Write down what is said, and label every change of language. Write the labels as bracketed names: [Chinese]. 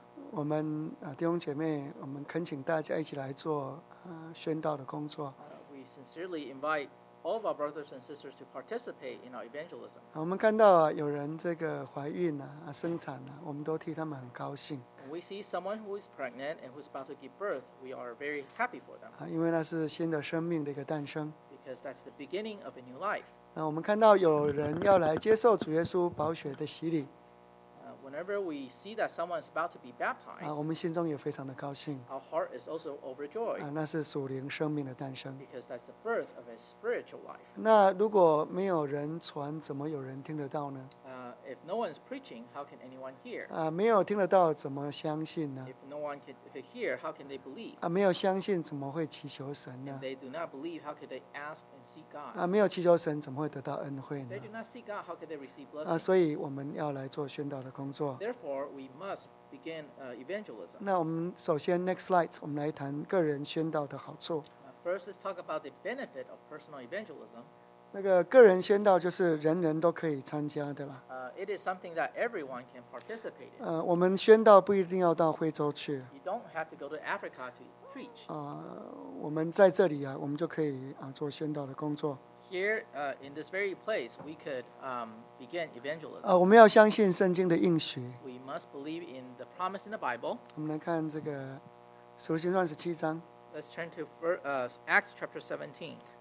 [Chinese] 我们弟兄姐妹，我们恳请大家一起来做宣道的工作。 [English] We sincerely invite all of our brothers and sisters to participate in our evangelism. [Chinese] 我们看到有人这个怀孕生产我们都替他们很高兴。 [English] We see someone who is pregnant and who is about to give birth. We are very happy for them. [Chinese] 因为那是新的生命的一个诞生。 [English] Because that's the beginning of a new life. [Chinese] 那我们看到有人要来接受主耶稣宝血的洗礼。 [English] Whenever we see that someone is about to be baptized, [Chinese] 我们心中也非常的高兴。 [English] Our heart is also overjoyed. [Chinese] 那是属灵生命的诞生。 [English] Because that's the birth of a spiritual life. [Chinese] 那如果没有人传，怎么有人听得到呢？ [English] If no one is preaching, how can anyone hear? [Chinese] 没有听得到，怎么相信呢？ [English] If no one can hear, how can they believe? [Chinese] 没有相信，怎么会祈求神呢？ [English] If they do not believe, how can they ask and seek God? [Chinese] 没有祈求神，怎么会得到恩惠呢？ [English] If they do not seek God, how can they receive blessing? [Chinese] 所以我们要来做宣道的工作。 [English] Therefore, we must begin evangelism. [Chinese] 那我们首先 [English] next slide, [Chinese] 我们来谈个人宣道的好处。 [English] First, let's talk about the benefit of personal evangelism. [Chinese] 那个个人宣道就是人人都可以参加的啦。 [English] It is something that everyone can participate in. [Chinese] 我们宣道不一定要到非洲去。 [English] You don't have to go to Africa to preach. [Chinese] 我们在这里我们就可以做宣道的工作。 [English] Here, in this very place, we could begin evangelism. [Chinese] 我们要相信圣经的应许。 [English] We must believe in the promise in the Bible. [Chinese] 我们来看这个使徒行传十七章。 [English] Let's turn to Acts chapter 17.